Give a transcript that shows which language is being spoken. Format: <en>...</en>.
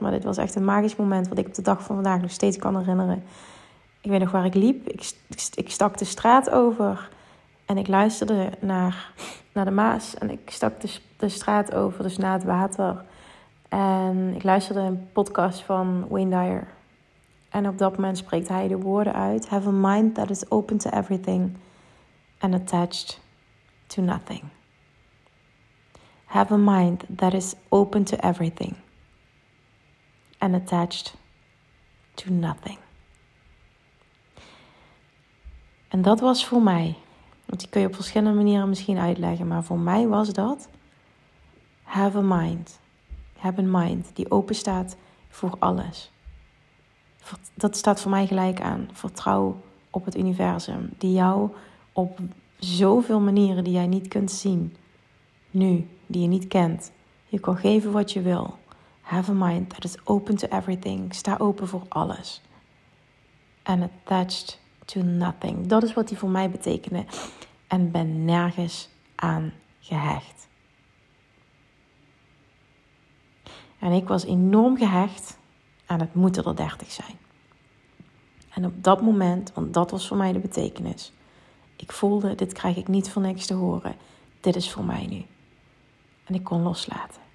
<nl>Maar dit was echt een magisch moment wat ik op de dag van vandaag nog steeds kan herinneren. Ik weet nog waar ik liep. Ik stak de straat over. En ik luisterde naar de Maas. En ik stak de straat over, dus naar het water. En ik luisterde een podcast van Wayne Dyer. En op dat moment spreekt hij de woorden uit.</nl> <en>Have a mind that is open to everything and attached to nothing. Have a mind that is open to everything and attached to nothing.</en> <nl>En dat was voor mij, want die kun je op verschillende manieren misschien uitleggen, maar voor mij was dat,</nl> <en>have a mind</en> <nl>die open staat voor alles. Dat staat voor mij gelijk aan vertrouw op het universum, die jou op zoveel manieren die jij niet kunt zien, nu, die je niet kent, je kan geven wat je wil.</nl> <en>Have a mind that is open to everything,</en> <nl>sta open voor alles.</nl> <en>And attached to nothing.</en> <nl>Dat is wat die voor mij betekende. En ben nergens aan gehecht. En ik was enorm gehecht aan het moeten er 30 zijn. En op dat moment, want dat was voor mij de betekenis. Ik voelde, dit krijg ik niet voor niks te horen. Dit is voor mij nu. En ik kon loslaten.</nl>